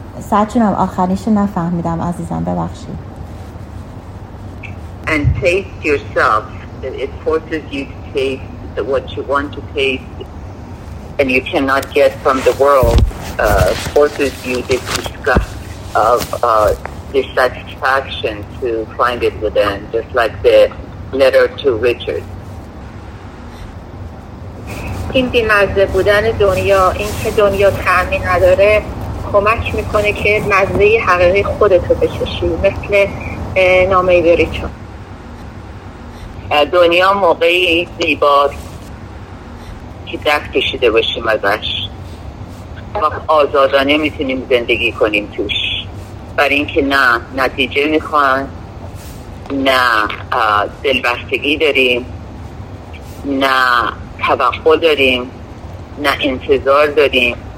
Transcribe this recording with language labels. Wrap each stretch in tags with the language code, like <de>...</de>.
<fa>ساعتونم آخریشو نفهمیدم عزیزم، ببخشید.</fa> <en>And taste yourself. It forces you to taste what you want to taste and you cannot get from the world. Forces you the disgust of dissatisfaction to find it within, just like the letter to Richard.</en> <fa>این بی‌مزه بودن دنیا، این که دنیا طعمی نداره، کمک میکنه که مزه حقیقی خودتو بچشی، مثل نامه ویریچو. دنیا موقعی زیباست که دست کشیده باشیم ازش و آزادانه میتونیم زندگی کنیم توش، برای اینکه نه نتیجه میخوان، نه دلبستگی داریم، نه توقع داریم، نه انتظار داریم.</fa>